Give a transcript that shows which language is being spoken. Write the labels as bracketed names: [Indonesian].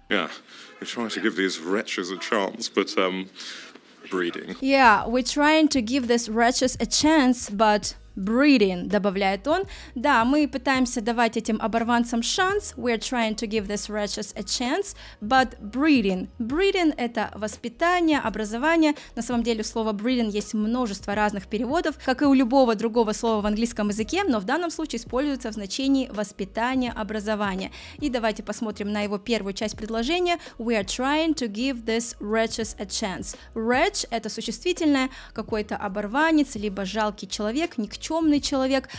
[English] Yeah, we're trying to give these wretches a chance, but breeding. Yeah, we're trying to give these wretches a chance, but... [Russian] Breeding, добавляет он. Да, мы пытаемся давать этим оборванцам шанс. [English] We're trying to give these wretches a chance, but breeding. [Russian] Breeding – это воспитание, образование. На самом деле, у слова breeding есть множество разных переводов, как и у любого другого слова в английском языке, но в данном случае используется в значении воспитание, образование. И давайте посмотрим на его первую часть предложения. [English] We're trying to give these wretches a chance. [Russian] Wretch – это существительное, какой-то оборванец, либо жалкий человек, никчемный человек.